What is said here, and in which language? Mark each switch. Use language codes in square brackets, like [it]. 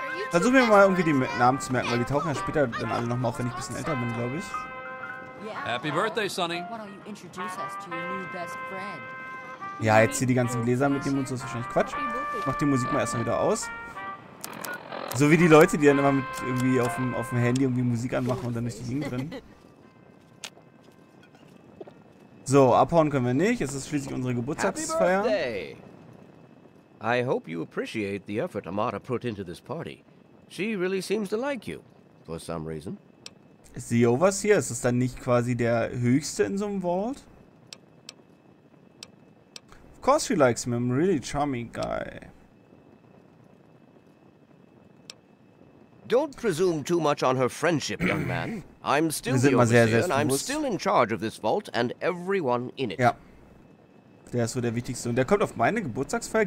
[de] Versuch mir mal irgendwie die Namen zu merken, weil die tauchen ja später dann alle nochmal auf, wenn ich ein bisschen älter bin, glaube ich. [en] Happy birthday, Sonny. Why don't you introduce us to your new best friend? [de] Ja, jetzt hier die ganzen Gläser mit dem und so ist wahrscheinlich Quatsch. Ich mach die Musik mal erstmal wieder aus. So wie die Leute, die dann immer mit irgendwie auf dem Handy irgendwie Musik anmachen und dann durch die Gegend drin. So, abhauen können wir nicht. Es ist schließlich unsere Geburtstagsfeier. Happy birthday. [en] I hope you appreciate the effort Amara put into this party. She really seems to like you, for some reason. [de] Ist sie Overs hier? Ist es dann nicht quasi der Höchste in so einem Vault? [en] Of course she likes me. I'm a really charming guy. Don't presume too much on her friendship, young man. I'm still the overseer, and I'm still in charge of this vault and everyone in it. [de] Ja. Der ist so der Wichtigste. Und der kommt auf meine Geburtstagsfeier.